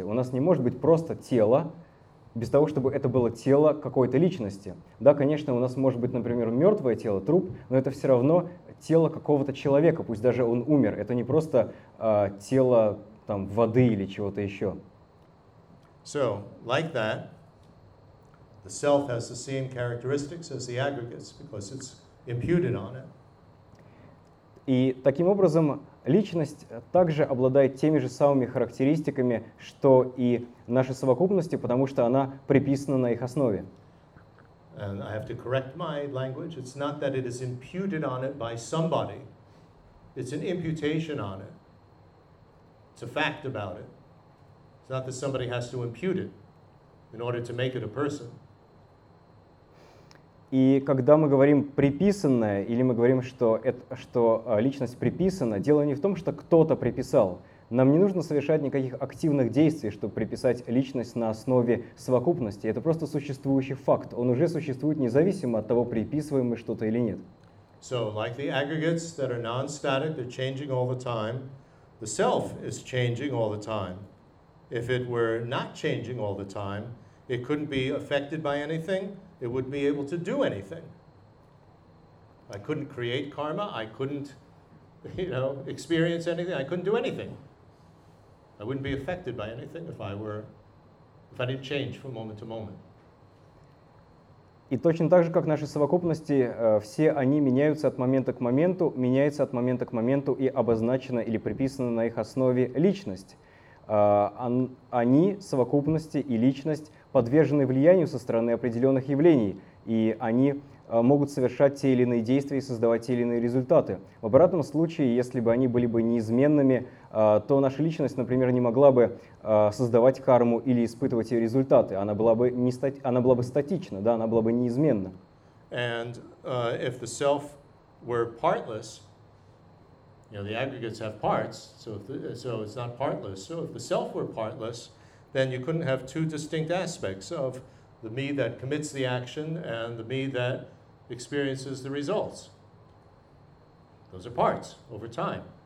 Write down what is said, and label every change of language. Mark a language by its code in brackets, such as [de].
[ru] У нас не может быть просто тело, без того, чтобы это было тело какой-то личности. Да, конечно, у нас может быть, например, мертвое тело, труп, но это все равно тело какого-то человека, пусть даже он умер. Это не просто тело там, воды или чего-то еще. [en] So, like that, the self has the same characteristics as the aggregates, because it's imputed on it. [ru] И таким образом, личность также обладает теми же самыми характеристиками, что и наши совокупности, потому что она приписана на их основе. [en] And I have to correct my language. It's not that it is imputed on it by somebody. It's an imputation on it. It's a fact about it. It's not that somebody has to impute it in order to make it a person. [ru] И когда мы говорим «приписанное» или мы говорим, что личность приписана, дело не в том, что кто-то приписал. Нам не нужно совершать никаких активных действий, чтобы приписать личность на основе совокупности. Это просто существующий факт. Он уже существует независимо от того, приписываем мы что-то или нет. [en] So, like the aggregates that are non-static, they're changing all the time, the self is changing all the time. If it were not changing all the time, it couldn't be affected by anything. It wouldn't be able to do anything. I couldn't create karma. I couldn't, you know, experience anything. I couldn't do anything. I wouldn't be affected by anything if I didn't change from moment to moment. [ru] И точно так же, как наши совокупности, все они меняются от момента к моменту, меняются от момента к моменту и обозначена или приписана на их основе личность. Они, совокупности и личность, подвержены влиянию со стороны определенных явлений, и они могут совершать те или иные действия и создавать те или иные результаты. В обратном случае, если бы они были бы неизменными, то наша личность, например, не могла бы создавать карму или испытывать ее результаты. Она была бы статична, да? Она была бы неизменна. [en] And if the self were partless, you know, the aggregates have parts, so it's not partless. So if the self were partless, then you couldn't have two distinct aspects of the me that commits the action and the me that experiences the results. Those are parts over time.